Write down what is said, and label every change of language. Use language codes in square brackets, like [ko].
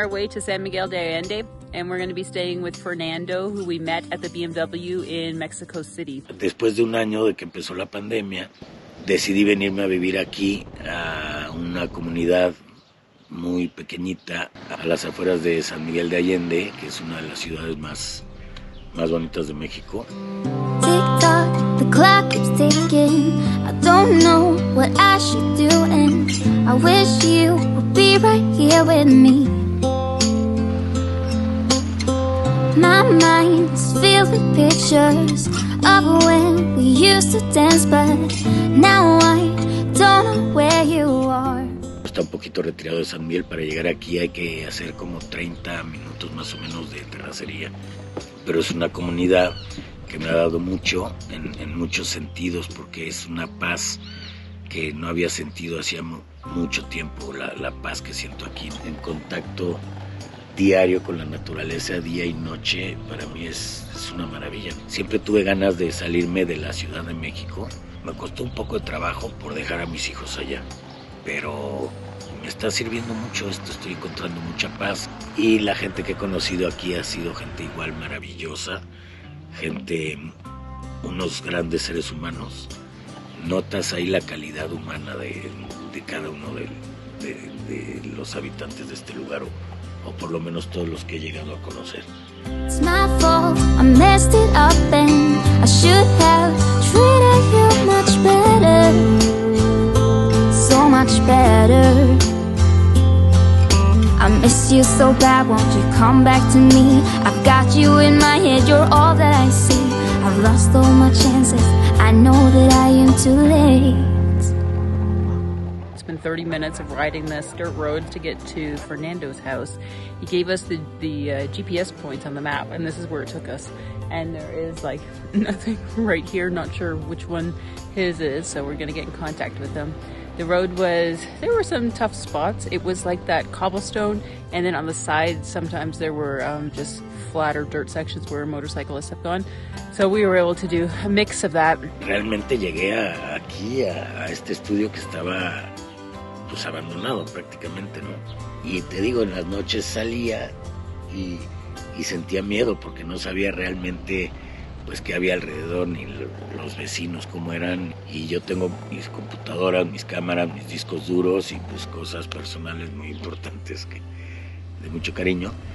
[en] To San Miguel de Allende, and we're going to be staying with Fernando, who we met at the BMW in Mexico City. [es] Después de un año de que empezó la pandemia, decidí venirme a vivir aquí a una comunidad muy pequeñita a las afueras de San Miguel de Allende, que es una de las ciudades más bonitas de México. [en] TikTok, the clock is ticking. I don't know what I should do, and I wish you would be right here with me. My mind is filled with pictures of when we used to dance, but now I don't know where you are. [es] Está un poquito retirado de San Miguel. Para llegar aquí hay que hacer como 30 minutos más o menos de terracería. Pero es una comunidad que me ha dado mucho en muchos sentidos, porque es una paz que no había sentido hacía mucho tiempo, la paz que siento aquí. En contacto diario con la naturaleza, día y noche, para mí es una maravilla. Siempre tuve ganas de salirme de la Ciudad de México. Me costó un poco de trabajo por dejar a mis hijos allá, pero me está sirviendo mucho esto, estoy encontrando mucha paz. Y la gente que he conocido aquí ha sido gente igual maravillosa, gente, unos grandes seres humanos. Notas ahí la calidad humana de cada uno de los habitantes de este lugar, o por lo menos todos los que he llegado a conocer. [en] It's my fault, I messed it up and I should have treated you much better, so much better. I miss you so bad, won't you come back to me? I've got you in my head, you're all that I see. I've lost all my chances, I know that I am too late. It's been 30 minutes of riding this dirt road to get to Fernando's house. He gave us the GPS points on the map, and this is where it took us. And there is like nothing right here, not sure which one his is, so we're gonna get in contact with him. The road was, there were some tough spots. It was like that cobblestone, and then on the side, sometimes there were just flatter dirt sections where motorcyclists have gone. So we were able to do a mix of that. [es] Realmente llegué aquí a este estudio que estaba pues abandonado prácticamente, ¿no? Y te digo, en las noches salía y sentía miedo porque no sabía realmente pues que había alrededor, ni los vecinos cómo eran, y yo tengo mis computadoras, mis cámaras, mis discos duros y pues cosas personales muy importantes que de mucho cariño.